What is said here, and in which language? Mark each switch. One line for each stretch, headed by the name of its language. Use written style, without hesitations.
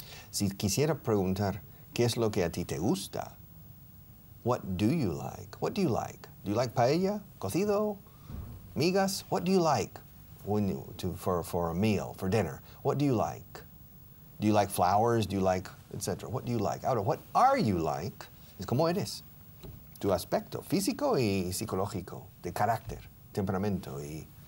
Spanish: Si quisiera preguntar, ¿qué es lo que a ti te gusta?
English: What do you like? What do you like? Do you like paella? ¿Cocido? Migas, what do you like for a meal, for dinner? What do you like? Do you like flowers? Do you like, etc.? What do you like? Ahora, what are you like?
Spanish: Es como eres. Tu aspecto físico y psicológico, de carácter, temperamento y...